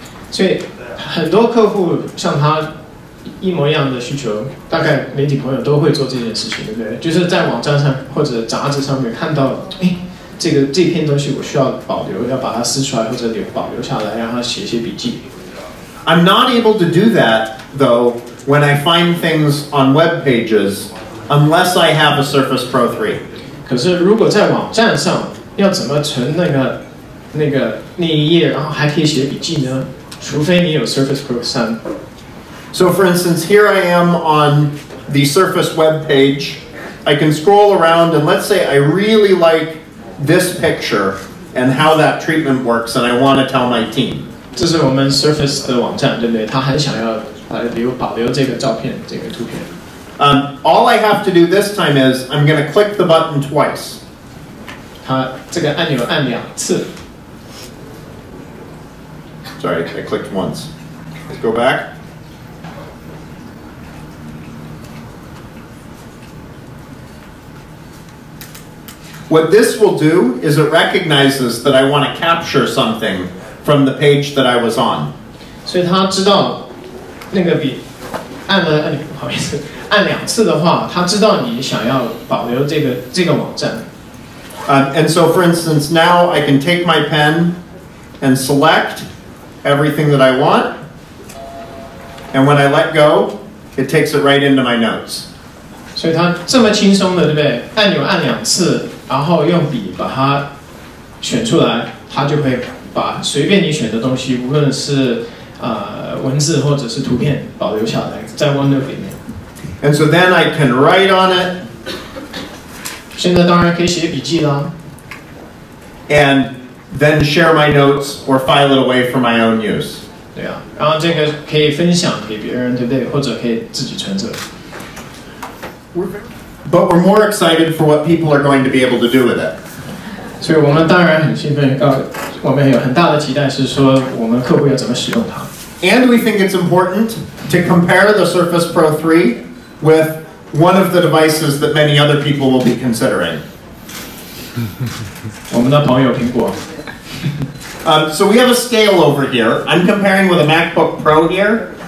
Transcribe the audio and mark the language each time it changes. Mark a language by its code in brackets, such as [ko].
[zh] 所以很多客户像他。一模一样的需求，大概媒体朋友都会做这件事情，对不对？就是在网站上或者杂志上面看到，这篇东西我需要保留，要把它撕出来或者保留下来，让它写一些笔记。 [en] I'm not able to do that though when I find things on web pages unless I have a Surface Pro 3. [zh] 可是如果在网站上，要怎么存那一页，然后还可以写笔记呢？除非你有 Surface Pro 3。 [en] So for instance, here I am on the Surface web page. I can scroll around and let's say I really like this picture and how that treatment works and I want to tell my team. [zh] 这是我们 Surface 的网站，对不对？他很想要保留这个照片，这个图片。 [en] All I have to do this time is I'm going to click the button twice. [zh] 他这个按钮按两次。 [en] Sorry, I clicked once. Let's go back. What this will do is it recognizes that I want to capture something from the page that I was on. [zh] 所以他知道那个笔按两次的话，他知道你想要保留这个网站。 [en] And so for instance, now I can take my pen and select everything that I want. And when I let go, it takes it right into my notes. [zh] 所以他这么轻松的，对不对？按钮按两次。然后用笔把它选出来，它就会把随便你选的东西，无论是文字或者是图片，保留下来在 OneNote 里面。 [en] And so then I can write on it. [zh] 现在当然可以写笔记啦。 [en] And then share my notes or file it away for my own use. [zh] 对啊，然后这个可以分享给别人，对不对？或者可以自己存着。 [en] But we're more excited for what people are going to be able to do with it. [zh] 所以我们当然很兴奋，我们有很大的期待是说我们客户要怎么使用它。 [en] And we think it's important to compare the Surface Pro 3 with one of the devices that many other people will be considering. [zh] 我们的朋友苹果。 [en] So we have a scale over here. I'm comparing with a MacBook Pro here.